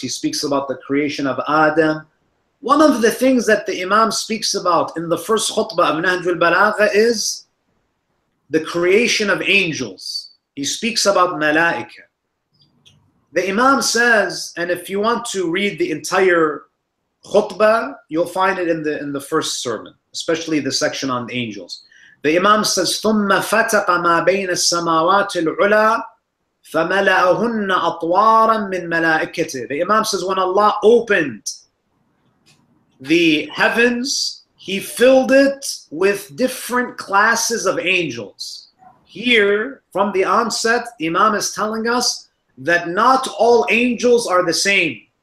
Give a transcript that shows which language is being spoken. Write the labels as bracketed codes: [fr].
[en] He speaks about the creation of Adam. One of the things that the Imam speaks about in the first khutbah of Nahjul Balagha is the creation of angels. He speaks about Malaika. The Imam says, and if you want to read the entire khutbah, you'll find it in the first sermon, especially the section on angels. The Imam says, [ar] ثُمَّ فَتَقَ مَا بَيْنَ السَّمَاوَاتِ الْعُلَىٰ فَمَلَأَهُنَّ أَطْوَارًا مِّن مَلَائِكَتِهِ. [en] The Imam says, when Allah opened the heavens, He filled it with different classes of angels. Here, from the onset, Imam is telling us that not all angels are the same.